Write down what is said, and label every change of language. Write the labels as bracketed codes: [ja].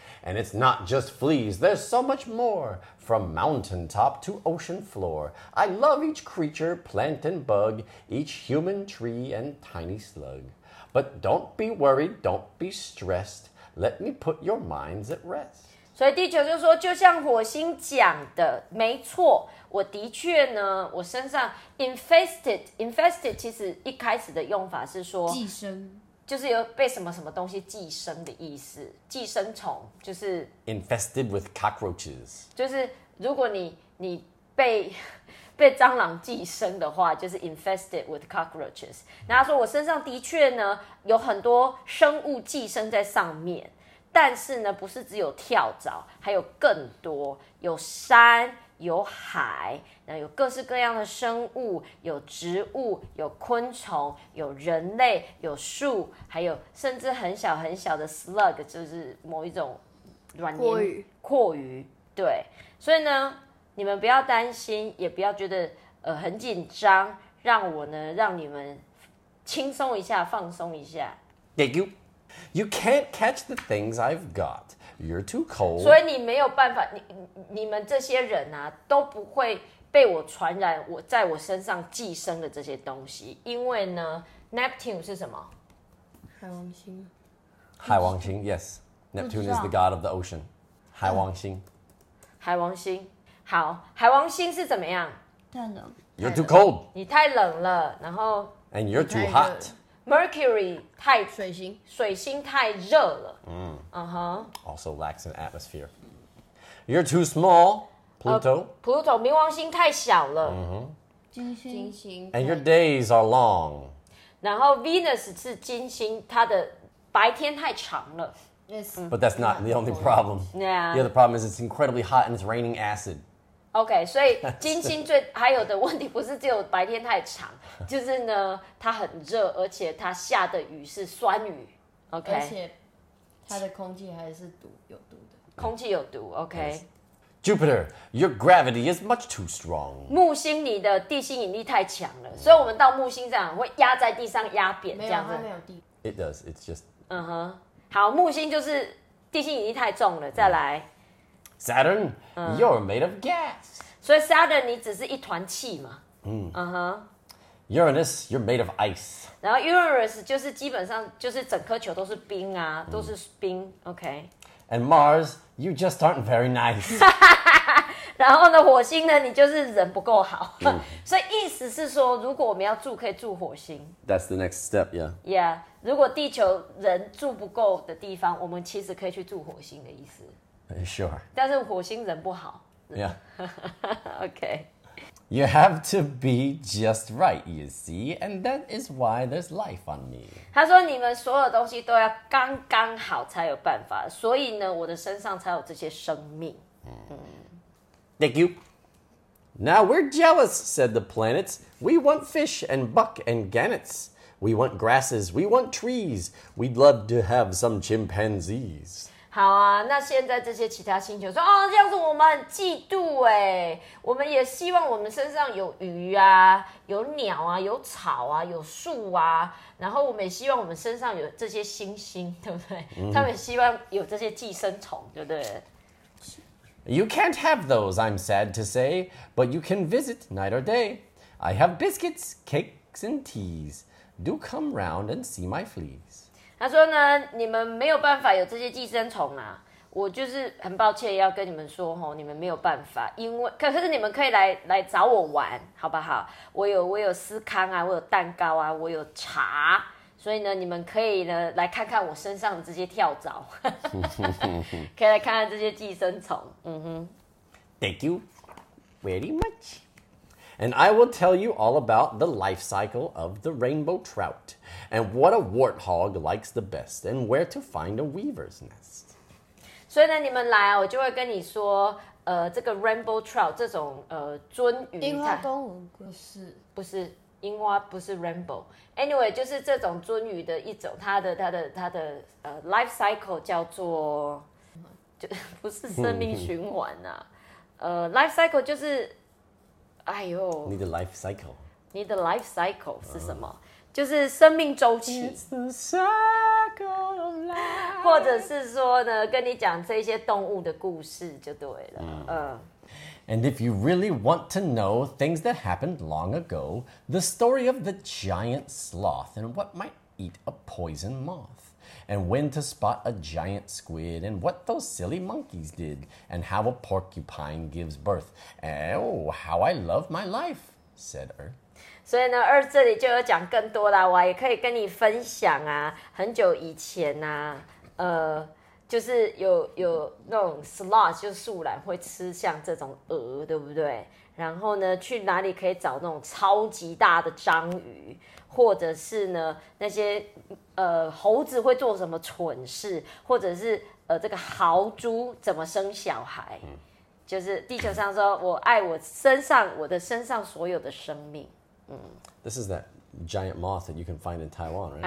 [en] And it's not just fleas. There's so much more, from mountain top to ocean floor. I love each creature, plant and bug, each human tree and tiny slug. But don't be worried, don't be stressed. Let me put your minds at rest. [zh] 所以地球就说，就像火星讲的，没错，我的确呢，我身上 infested 其实一开始的用法是说寄生，就是有被什么什么东西寄生的意思，寄生虫就是 [en] infested with cockroaches， [zh] 就是如果你被蟑螂寄生的话，就是 [en] infested with cockroaches。 [zh] 那他说我身上的确呢，有很多生物寄生在上面。但是呢，不是只有跳蚤，还有更多，有山，有海，然后有各式各样的生物，有植物，有昆虫，有人类，有树，还有甚至很小很小的 slug， 就是某一种软黏阔鱼。对，所以呢，你们不要担心，也不要觉得很紧张，让我呢让你们轻松一下，放松一下。 [en] Thank you. You can't catch the things I've got. You're too cold. [zh] 所以你没有办法，你们这些人啊，都不会被我传染，我在我身上寄生的这些东西。因为呢 ，Neptune 是什么？海王星。海王星 ， [en] Yes. Neptune is the god of the ocean. [zh] 海王星。海王星，好，海王星是怎么样？太冷。 [en] You're too cold. [zh] 你太冷了，然后。 [en] And you're too hot. [zh] Mercury 太水星，水星太热了。 [en] Also lacks an atmosphere. You're too small, Pluto. [zh] Pluto 冥王星太小了。金星。 [en] And your days are long. [zh] 然后 Venus 是金星，它的白天太长了。 [en] But that's not the only problem. Yeah. The other problem is it's incredibly hot and it's raining acid. [zh] Okay, 所以金星最还有的问题不是只有白天太长，就是呢它很热，而且它下的雨是酸雨。 [en] Okay. [zh] 而且它的空气还是毒，有毒的。空气有毒。Okay. [en] Jupiter, your gravity is much too strong. [zh] 木星你的地心引力太强了， oh. 所以我们到木星这样会压在地上压扁这样子。没有，它没有地。 [en] It does. It's just. [zh] 好，木星就是地心引力太重了。再来 [en] ，Saturn, you're made of gas. [zh] 所以 Saturn 你只是一团气嘛。 [en] Uranus, you're made of ice. [zh] 然后 Uranus 就是基本上就是整颗球都是冰啊，都是冰。 [en] Okay. And Mars, you just aren't very nice. [zh] 然后呢，火星呢，你就是人不够好。所以意思是说，如果我们要住，可以住火星。 [en] That's the next step, yeah. Yeah. [zh] 如果地球人住不够的地方，我们其实可以去住火星的意思。 [en] Sure. [zh] 但是火星人不好。 [en] Yeah. Okay. You have to be just right, you see, and that is why there's life on me. [zh] 他说你们所有东西都要刚刚好才有办法，所以呢，我的身上才有这些生命。 [en] Thank you. Now we're jealous, said the planets. We want fish and buck and gannets. We want grasses. We want trees. We'd love to have some chimpanzees. [zh] 好啊，那现在这些其他星球说，哦，这样子我们很嫉妒耶，我们也希望我们身上有鱼啊，有鸟啊，有草啊，有树啊，然后我们也希望我们身上有这些星星，对不对？他们希望有这些寄生虫，对不对？ [en] You can't have those, I'm sad to say, but you can visit night or day. I have biscuits, cakes, and teas. Do come round and see my fleas. [zh] 他说呢，你们没有办法有这些寄生虫啊。我就是很抱歉要跟你们说齁，你们没有办法，因为可是你们可以来找我玩，好不好？我有司康啊，我有蛋糕啊，我有茶。所以呢，你们可以呢来看看我身上的这些跳蚤，可以来看看这些寄生虫。 [en] Thank you very much. And I will tell you all about the life cycle of the rainbow trout, and what a warthog likes the best, and where to find a weaver's nest. [zh] 所以呢，你们来啊，我就会跟你说，这个 rainbow trout 这种鳟鱼，樱花冬不是，不是。樱花不是 rainbow， [en] anyway [zh] 就是这种鳟鱼的一种，它的life cycle 叫做，不是生命循环啊，life cycle 就是，哎呦，你的 life cycle，你的 life cycle 是什么？ Oh. 就是生命周期， [en] It's the cycle of life. [zh] 或者是说呢，跟你讲这些动物的故事就对了， [en] And if you really want to know things that happened long ago, the story of the giant sloth and what might eat a poison moth, and when to spot a giant squid, and what those silly monkeys did, and how a porcupine gives birth. Oh, how I love my life, said Earth. [zh] 所以呢，Earth这里就有讲更多啦，我也可以跟你分享啊，很久以前啊，就是有那种 sloth 就是树懒会吃像这种鹅，对不对？然后呢，去哪里可以找那种超级大的章鱼，或者是呢那些猴子会做什么蠢事，或者是这个豪猪怎么生小孩？就是地球上说我爱我的身上所有的生命。 [en] This is that giant moth that you can find in Taiwan, right?